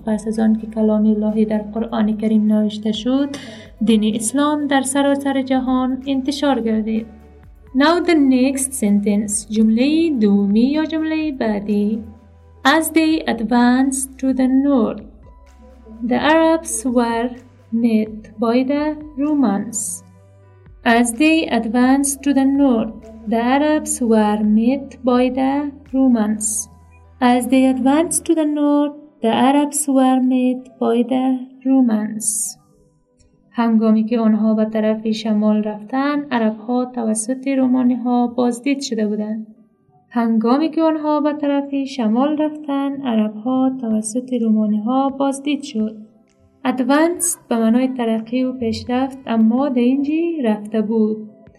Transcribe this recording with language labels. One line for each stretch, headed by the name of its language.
Persian: پس از آن که کلام الهی در قرآن کریم نوشته شد، دین اسلام در سراسر جهان انتشار گردید.
English: Now the next sentence.
Persian: جمله دومی یا جمله بعدی.
English: As they advanced to the north, the Arabs were met by the Romans. As they advanced to the north, the Arabs were met by the Romans. As they advanced to the north, the Arabs were met by the Romans.
Persian: هنگامی که آنها به طرف شمال رفتند، عرب‌ها توسط رومانی‌ها بازدید شده بودند. هنگامی که آنها به طرف شمال رفتند، عرب‌ها توسط رومانی‌ها بازدید شد. Advanced به معنای ترقی و پیشرفت اما در اینجا رفته بود.